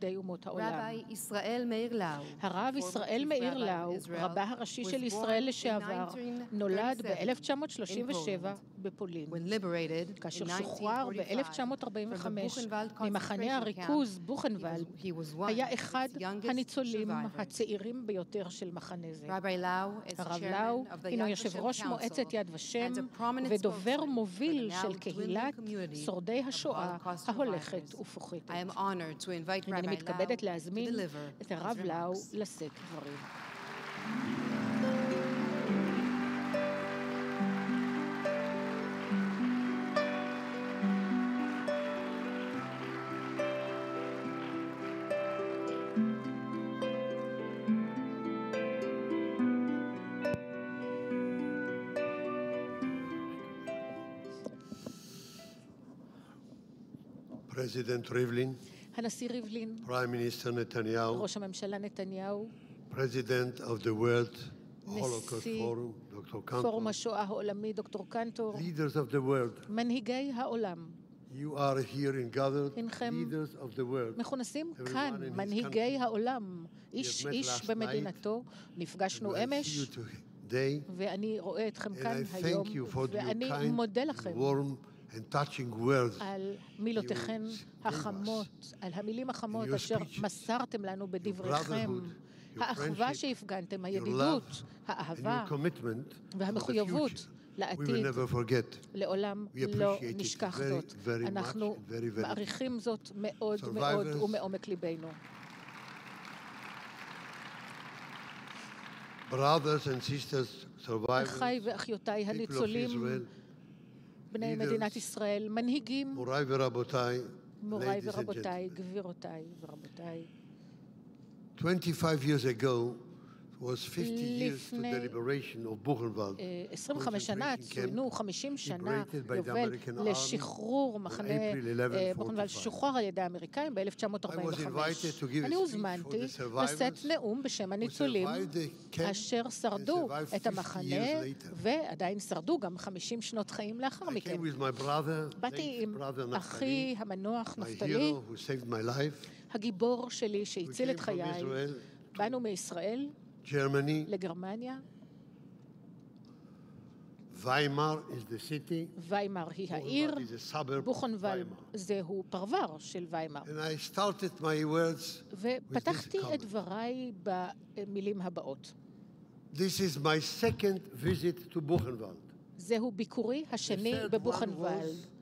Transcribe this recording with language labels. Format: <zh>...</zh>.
<en>Rabbi Israel Meir Lau, former Rabbi of Israel, was born in 1937 in Poland. When liberated in 1945 from the Buchenwald concentration camp, he was one of the youngest survivors. Rabbi Lau is chairman</en> <he>הינו יושב ראש מועצת יד ושם ודובר מוביל של קהילת שורדי השואה ההולכת ופוחתת. אני מתכבדת להזמין את הרב לאו לשאת דברים.</he> <en>President Rivlin,</en> <he>הנשיא ריבלין,</he> <en>Prime Minister Netanyahu,</en> <he>ראש הממשלה נתניהו,</he> <en>President of the World Holocaust Forum, Dr. Cantor,</en> <he>פורום השואה העולמי, דוקטור קנטור,</he> <en>Leaders of the World,</en> <he>מנהיגי העולם,</he> <en>You are here in gathered leaders of the world.</en> <he>מכונסים כאן מנהיגי העולם, איש במדינתו, נפגשנו אמש, ואני רואה אתכם כאן היום, ואני מודה לכם</he> <en>and touching words</en> <he>על מילותיכן החמות, על המילים החמות אשר מסרתם לנו בדבריכם, האחווה שהפגנתם, הידידות, האהבה והמחויבות לעתיד, לעולם לא נשכח זאת. אנחנו מעריכים זאת מאוד מאוד ומעומק ליבנו.</he> <en>Brothers and sisters survivors,</en> <he>אחיי ואחיותיי הניצולים, בני מדינת ישראל, מנהיגים, מוריי ורבותיי, גבירותיי ורבותיי.</he> <en>25 years ago was 50 years to the liberation of Buchenwald.</en> <he>25 שנה, צוינו 50 שנה יובל לשחרור מחנה בוכנוולד, שוחרר על ידי האמריקאים ב-1945. אני הוזמנתי לשאת נאום בשם הניצולים אשר שרדו את המחנה ועדיין שרדו גם 50 שנות חיים לאחר מכן. באתי עם אחי המנוח נפתלי, הגיבור שלי שהציל את חיי. באנו מישראל,</he> <en>Germany,</en> <he>לגרמניה.</he> <en>Weimar is the city.</en> <he>Weimar היא העיר. בוכנוולד זהו פרוור של ויימאר.</he> <en>And I started my words with this comment.</en> <he>ופתחתי את דבריי במילים הבאות.</he> <en>This is my second visit to Buchenwald.</en> <he>זהו ביקורי השני בבוכנוולד.</he>